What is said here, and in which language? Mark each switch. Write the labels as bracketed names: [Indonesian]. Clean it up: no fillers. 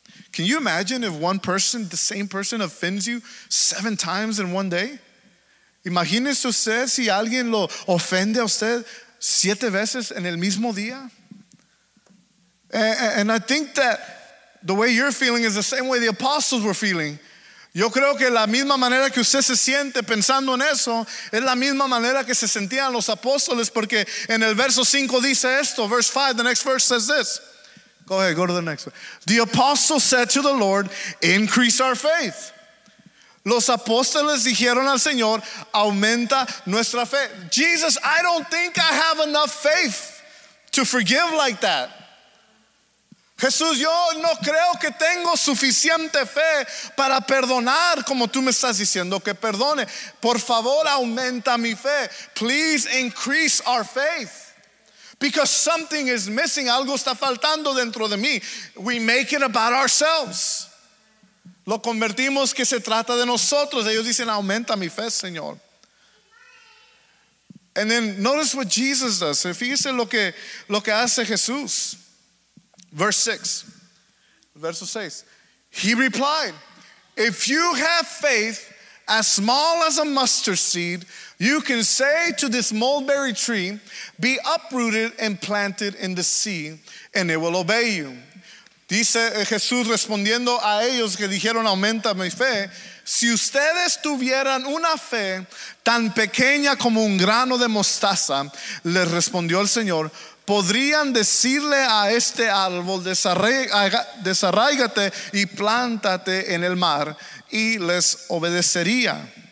[English] Can you imagine if one person, the same person, offends you seven times in one day? [Spanish] Imagínese usted si alguien lo ofende a usted siete veces en el mismo día. [English] And I think that the way you're feeling is the same way the apostles were feeling. [Spanish] Yo creo que la misma manera que usted se siente pensando en eso es la misma manera que se sentían los apóstoles, porque en el verso 5 dice esto. [English] Verse 5, the next verse says this. Go ahead, go to the next one. The apostles said to the Lord, increase our faith. [Spanish] Los apóstoles dijeron al Señor, aumenta nuestra fe. [English] Jesus, I don't think I have enough faith to forgive like that. [Spanish] Jesús, yo no creo que tengo suficiente fe para perdonar como tú me estás diciendo que perdone. Por favor, aumenta mi fe. [English] Please increase our faith. Because something is missing. [Spanish] Algo está faltando dentro de mí. [English] We make it about ourselves. [Spanish] Lo convertimos que se trata de nosotros. Ellos dicen, aumenta mi fe, Señor. [English] And then notice what Jesus does. [Spanish] Fíjese lo que hace Jesús. Verso 6. [English] He replied, if you have faith as small as a mustard seed, you can say to this mulberry tree, be uprooted and planted in the sea, and it will obey you. [Spanish] Dice Jesús respondiendo a ellos que dijeron, aumenta mi fe. Si ustedes tuvieran una fe tan pequeña como un grano de mostaza, les respondió el Señor, podrían decirle a este árbol, desarráigate y plántate en el mar, y les obedecería.